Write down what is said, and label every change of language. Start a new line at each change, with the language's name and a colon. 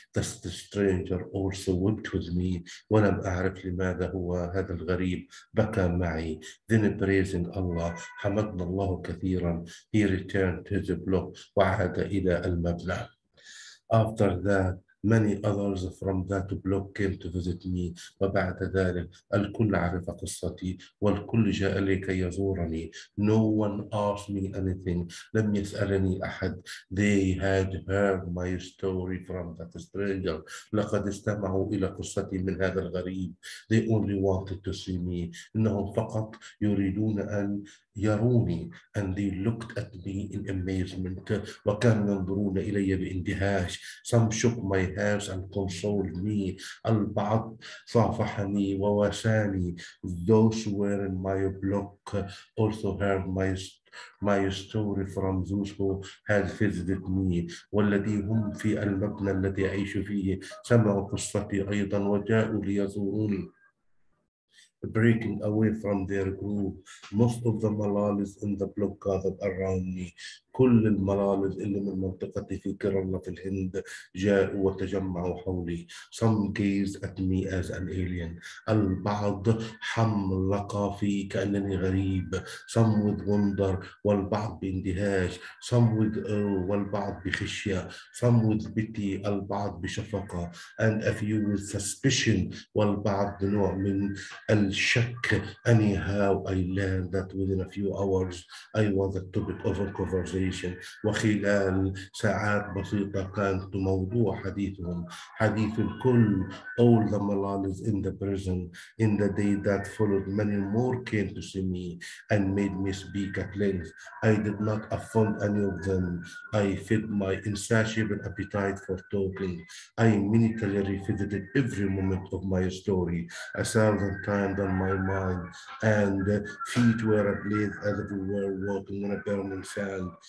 English: That's the stranger also wept with me.
Arabic: ولم أعرف لماذا هو هذا الغريب بكى معي.
English: Then praising Allah.
Arabic: حمدنا الله كثيرا.
English: He returned to the block.
Arabic: وعاد إلى المبنى.
English: After that, many others from that block came to visit me.
Arabic: وبعد ذلك الكل عرف قصتي والكل جاء لكي يزورني.
English: No one asked me anything.
Arabic: لم يسألني أحد.
English: They had heard my story from that stranger.
Arabic: لقد استمعوا إلى قصتي من هذا الغريب.
English: They only wanted to see me.
Arabic: إنهم فقط يريدون أن يروني.
English: And they looked at me in amazement.
Arabic: وكانوا ينظرون إلي باندهاش.
English: Some shook my hands and consoled me.
Arabic: البعض صافحني وواساني.
English: Those were in my block also heard my story from those who had visited me.
Arabic: والذي هم في المبنى الذي أعيش فيه سمعوا قصتي أيضا وجاءوا ليزوروني.
English: Breaking away from their group, most of the Malayalis in the block gathered around me.
Arabic: كل الملامد اللي من منطقتي في كيرلا في الهند جاءوا وتجمعوا حولي.
English: Some gazed at me as an alien.
Arabic: البعض حملق في كأنني غريب.
English: Some with wonder
Arabic: والبعض باندهاش.
English: Some with awe
Arabic: والبعض بخشية.
English: Some with pity
Arabic: البعض بشفقة.
English: And a few with suspicion
Arabic: والبعض نوع من الشك.
English: Anyhow I learned that within a few hours I was a topic of a conversation.
Arabic: وخلال ساعات بسيطة كانت موضوع حديثهم حديث الكل.
English: All the Malays in the prison. In the day that followed, many more came to see me and made me speak at length. I did not offend any of them. I fed my insatiable appetite for talking. I minutely revisited every moment of my story a thousand times on my mind, and feet were at length as if we were walking on a burning sand.